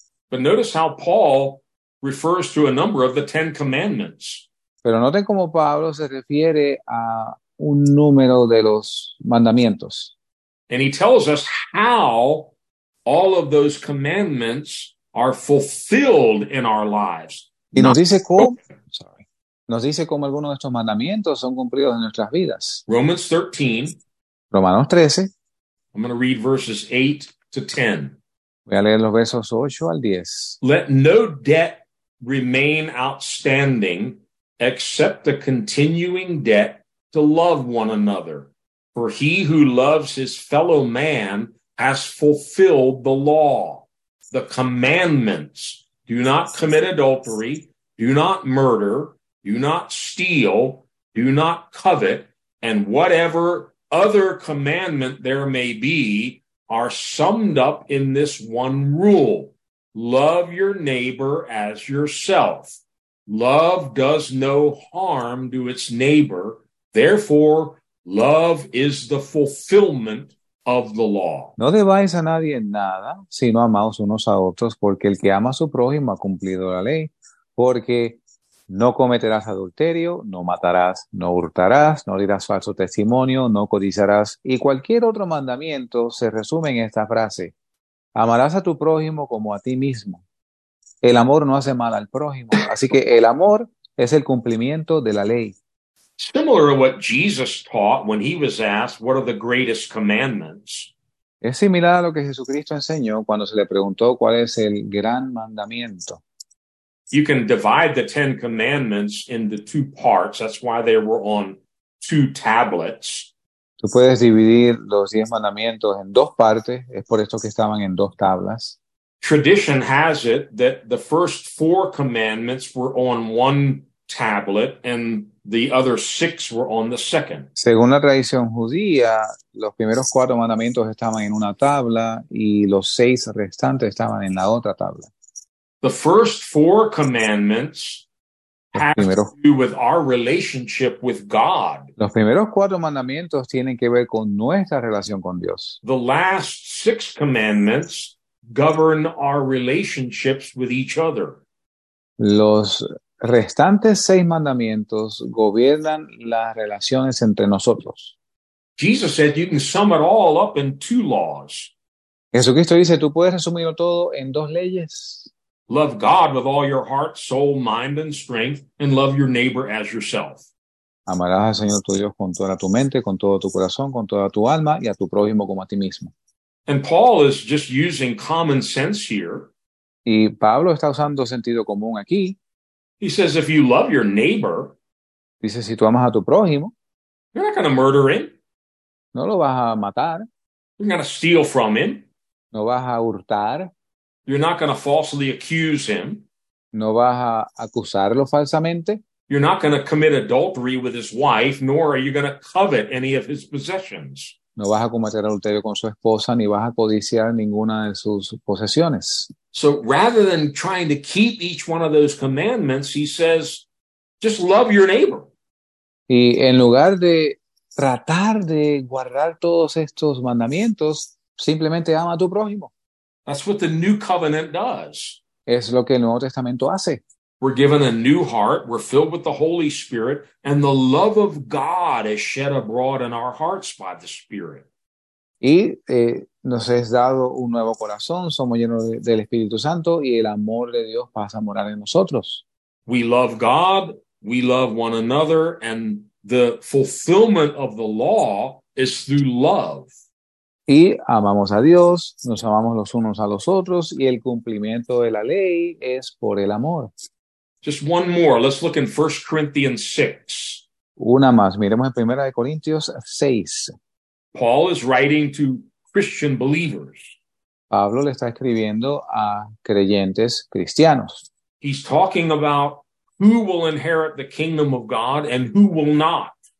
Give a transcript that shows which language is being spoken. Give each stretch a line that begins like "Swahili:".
English: But notice how Paul refers to a number of the Ten Commandments.
Spanish: Pero noten cómo Pablo se refiere a un número de los mandamientos.
English: And he tells us how all of those commandments are fulfilled in our lives.
Spanish: Y nos dice cómo algunos de estos mandamientos son cumplidos en nuestras vidas.
English: Romans 13.
Spanish: Romanos 13.
English: I'm going to read verses 8 to 10.
Spanish: Voy a leer los versos 8 al 10.
English: Let no debt remain outstanding except the continuing debt to love one another. For he who loves his fellow man has fulfilled the law, the commandments. Do not commit adultery, do not murder, do not steal, do not covet, and whatever other commandment there may be are summed up in this one rule. Love your neighbor as yourself. Love does no harm to its neighbor. Therefore, love is the fulfillment of the law.
Spanish: No debáis a nadie nada, sino amaos unos a otros, porque el que ama a su prójimo ha cumplido la ley. Porque no cometerás adulterio, no matarás, no hurtarás, no dirás falso testimonio, no codiciarás. Y cualquier otro mandamiento se resume en esta frase. Amarás a tu prójimo como a ti mismo. El amor no hace mal al prójimo. Así que el amor es el cumplimiento de la ley.
English: Similar to what Jesus taught when he was asked, what are the greatest commandments?
Spanish: Es similar a lo que Jesucristo enseñó cuando se le preguntó cuál es el gran mandamiento.
English: You can divide the Ten Commandments into two parts. That's why they were on two tablets.
Spanish: Tú puedes dividir los 10 mandamientos en dos partes. Es por esto que estaban en dos tablas.
English: Tradition has it that the first four commandments were on one tablet and the other six were on the second.
Spanish: Según la tradición judía, los primeros cuatro mandamientos estaban en una tabla y los seis restantes estaban en la otra tabla.
English: The first four commandments have to do with our relationship with God.
Spanish: Los primeros cuatro mandamientos tienen que ver con nuestra relación con Dios.
English: The last six commandments govern our relationships with each other.
Spanish: Los restantes seis mandamientos gobiernan las relaciones entre nosotros.
English: Jesus said you can sum it all up in two laws.
Spanish: Jesucristo dice, tú puedes resumirlo todo en dos leyes.
English: Love God with all your heart, soul, mind, and strength, and love your neighbor as yourself.
Spanish: Amarás al Señor tu Dios con toda tu mente, con todo tu corazón, con toda tu alma, y a tu prójimo como a ti mismo.
English: And Paul is just using common sense here.
Spanish: Y Pablo está usando sentido común aquí.
English: He says, if you love your neighbor,
Spanish: dice, si tú amas a tu prójimo,
English: you're not going to murder him.
Spanish: No lo vas a matar.
English: You're going to steal from him.
Spanish: No vas a hurtar.
English: You're not going to falsely accuse him.
Spanish: No vas a acusarlo falsamente.
English: You're not going to commit adultery with his wife, nor are you going to covet any of his possessions.
Spanish: No vas a cometer adulterio con su esposa, ni vas a codiciar ninguna de sus posesiones.
English: So rather than trying to keep each one of those commandments, he says, just love your neighbor.
Spanish: Y en lugar de tratar de guardar todos estos mandamientos, simplemente ama a tu prójimo.
English: That's what the new covenant does.
Spanish: Es lo que el Nuevo Testamento hace.
English: We're given a new heart, we're filled with the Holy Spirit, and the love of God is shed abroad in our hearts by the Spirit.
Spanish: Y nos es dado un nuevo corazón, somos llenos del Espíritu Santo, y el amor de Dios pasa a morar en nosotros.
English: We love God, we love one another, and the fulfillment of the law is through love.
Spanish: Y amamos a Dios, nos amamos los unos a los otros, y el cumplimiento de la ley es por el amor.
English: Just one more. Let's look in 1 Corinthians 6.
Spanish: Una más. Miremos en 1 Corintios 6.
English: Paul is writing to Christian believers.
Spanish: Pablo le está escribiendo a creyentes cristianos.
English: He's talking about who will inherit the kingdom of God and who will not.